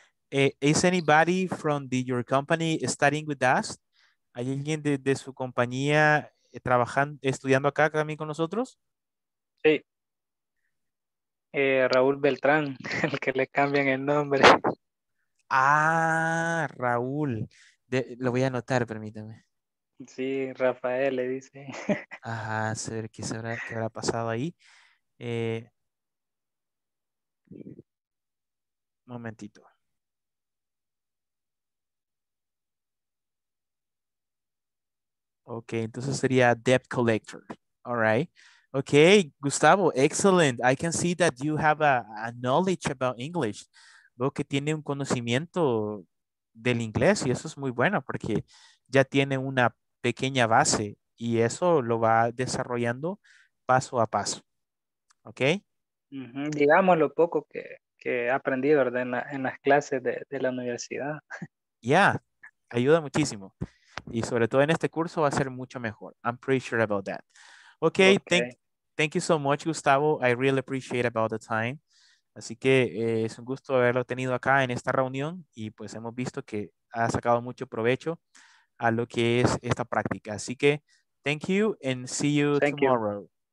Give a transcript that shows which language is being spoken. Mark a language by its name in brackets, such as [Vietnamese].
[English] Is anybody from your company studying with us? [Spanish] ¿Hay alguien de su compañía trabajando, estudiando acá también con nosotros? Sí. Raúl Beltrán, el que le cambian el nombre. Ah, Raúl. Lo voy a anotar, permítame. Sí, Rafael le dice. Ajá, a ver qué habrá pasado ahí. Momentito. Okay, entonces sería debt collector. All right. [English] Okay, Gustavo, excellent. I can see that you have a knowledge about English. [Spanish] veo que tiene un conocimiento del inglés y eso es muy bueno porque ya tiene una pequeña base y eso lo va desarrollando paso a paso. ¿Ok? Uh-huh. Digamos lo poco que he aprendido en las clases de la universidad. Ya, yeah. Ayuda muchísimo. Y sobre todo en este curso va a ser mucho mejor. I'm pretty sure about that. [English] Okay, thank you so much, Gustavo. I really appreciate about the time. [Spanish] Así que es un gusto haberlo tenido acá en esta reunión y pues hemos visto que ha sacado mucho provecho a lo que es esta práctica. [English] Así que thank you and see you tomorrow.